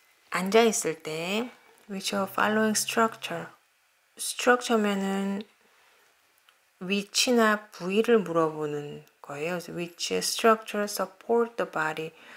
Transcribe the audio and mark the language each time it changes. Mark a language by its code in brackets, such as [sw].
[ko] 앉아 있을 때 [en] which of following structure? [ko] structure면은 위치나 부위를 물어보는 거예요. [en] Which structure support the body?